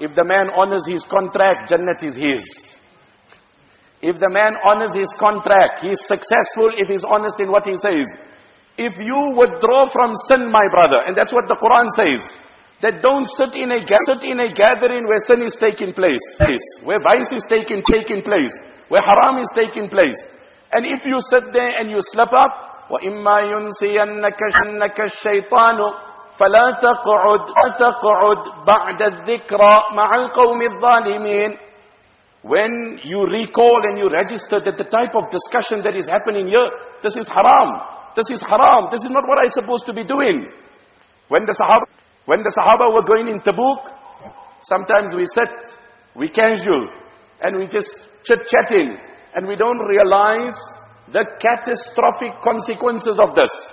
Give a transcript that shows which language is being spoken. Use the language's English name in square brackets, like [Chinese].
[English] If the man honors his contract, Jannat is his. If the man honors his contract, he is successful if he is honest in what he says. If you withdraw from sin, my brother, and that's what the Quran says, that don't sit in a gathering where sin is taking place, where vice is taking place, where haram is taking place. And if you sit there and you slip up, [Arabic] وَإِمَّا يُنْسِيَنَّكَ شَنَّكَ الشَّيْطَانُ فَلَا تَقْعُدْ بَعْدَ الذِّكْرَى مَعَ الْقَوْمِ الظَّالِمِينَ. [English] When you recall and you register that the type of discussion that is happening here, this is haram. This is haram. This is not what I'm supposed to be doing. When the Sahaba were going in Tabuk, sometimes we sit, we casual, and we just chit-chatting, and we don't realize the catastrophic consequences of this.